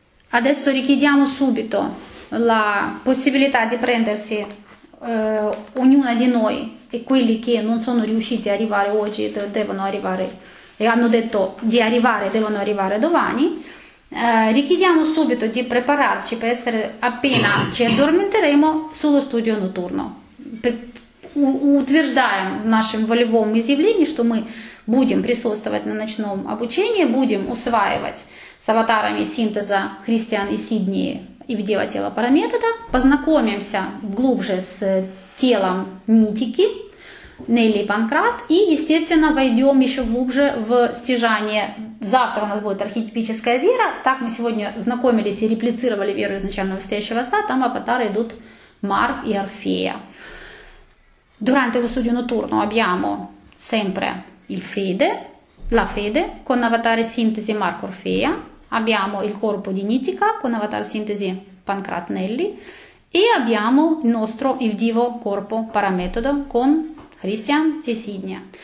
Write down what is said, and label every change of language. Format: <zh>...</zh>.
<it>Adesso richiediamo subito la possibilità di prendersi ognuna di noi, e quelli che non sono riusciti a arrivare oggi devono arrivare, e hanno detto di arrivare, devono arrivare domani. Richiediamo subito di prepararci per essere, appena ci addormenteremo, sullo studio notturno.</it> <ru>Утверждаем в нашем волевом изъявлении, что мы будем присутствовать на ночном обучении, будем усваивать с аватарами синтеза Христиан и Сидни и Вдева тела Параметода, познакомимся глубже с телом Нитики, Нелли Панкрат, и, естественно, войдем еще глубже в стяжание. Завтра у нас будет архетипическая вера. Так мы сегодня знакомились и реплицировали веру изначального Встречного Отца. Там аватары идут Мар и Орфея.</ru> <it>Durante lo studio notturno abbiamo sempre il fede, la fede con avatare sintesi Marco Orfea, abbiamo il corpo di Nitica con avatare sintesi Pancrat Nelli e abbiamo il nostro, il divo corpo Parametodo con Christian e Sidnia.</it>